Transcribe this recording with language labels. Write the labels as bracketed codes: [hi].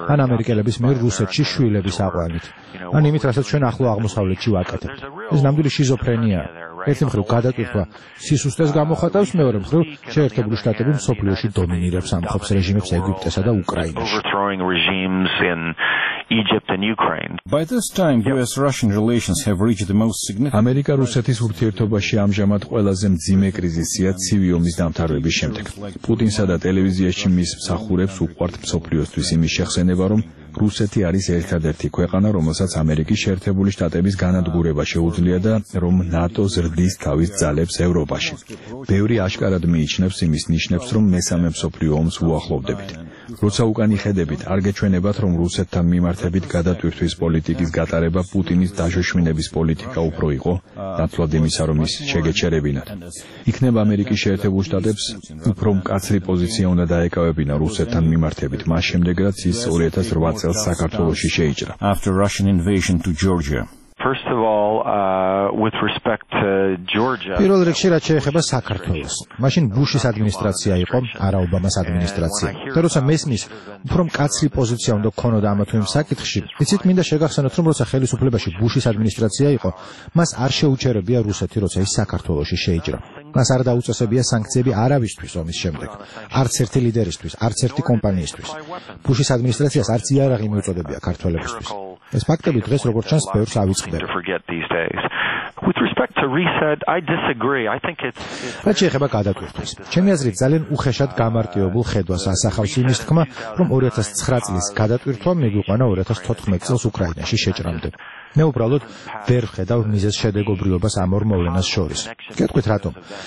[ka] ან ამერიკელების მიერ რუსეთში შვილების აყვანით, ან იმით, რასაც ჩვენ ახლო აღმოსავლეთში ვაკეთებთ. ეს ნამდვილი შიზოფრენია. ერთი მხრივ გადატვირთვა სისუსტეს გამოხატავს, მეორე მხრივ შეერთებული შტატები მსოფლიოში დომინირებს ამხობს რეჟიმებს ეგვიპტესა და უკრაინაში. [en] Egypt and Ukraine. By this time US-Russian relations have reached the most significant [ka] ამერიკა-რუსეთის ურთიერთობაში ამჟამად ყველაზე მძიმე კრიზისია ცივი ომის დამთავრების შემდეგ. პუტინსა და ტელევიზიაში მის მსახურებს უყვართ მსოფლიოსთვის იმის შეხსენება, რომ რუსეთი არის ერთადერთი ქვეყანა, რომელსაც ამერიკის შეერთებული შტატების განადგურება შეუძლია და რომ ნატო ზრდის თავის ძალებს ევროპაში. ბევრი აშკარად მიიჩნევს იმის ნიშნებს, რომ მესამე მსოფლიო ომს უახლოვდებით. როცა უკან იხედებით, არ გეჩვენებათ, რომ რუსეთთან მიმართებით გადატვირთვის პოლიტიკის გატარება პუტინის დაშოშმინების პოლიტიკა უფრო იყო, ნაცვლად იმისა, რომ ის შეგეჩერებინათ. იქნება ამერიკის შეერთებულ შტატებს უფრო მკაცრი პოზიცია უნდა დაეკავებინა რუსეთთან მიმართებით, მას შემდეგ, რაც ის 2008 წელს საქართველოში შეიჭრა. [en] First of all, with respect to Georgia. [ka] პირველ რიგში რაც შეეხება საქართველოს, მაშინ ბუშის ადმინისტრაცია იყო, არა ობამას ადმინისტრაცია. და როცა მესმის, უფრო მკაცრი პოზიცია უნდა ქონოდა ამ თემის საკითხში, იცით, მინდა შეგახსენოთ, რომ როცა ხელისუფლებაში ბუშის ადმინისტრაცია იყო, მას არ შეუჩერებია რუსეთი, როცა ის საქართველოში შეიჭრა. მას არ დაუწესებია სანქციები არავისთვის ომის შემდეგ, არც ერთი ლიდერისთვის, არც ერთი კომპანიისთვის. ბუშის ადმინისტრაციას არც იარაღი მიუწოდებია ქართველებისთვის. ეს ფაქტები დღეს როგორც ჩანს ბევრს ავიწყდება. [en] With respect to reset, I disagree. I think it's [ka] შეიძლება გადაგვიხსნას. ჩემი აზრით ძალიან უხეშად გამარტივებულ ხედვას ასახავს იმის თქმა, რომ 2009 წლის გადატვირთვა მიგვიყვანა 2014 წელს უკრაინაში შეჭრამდე. მე უბრალოდ ვერ ვხედავ მიზეზ შედეგობრიობას ამ ორ მოვლენას შორის. გეტყვით რატომ?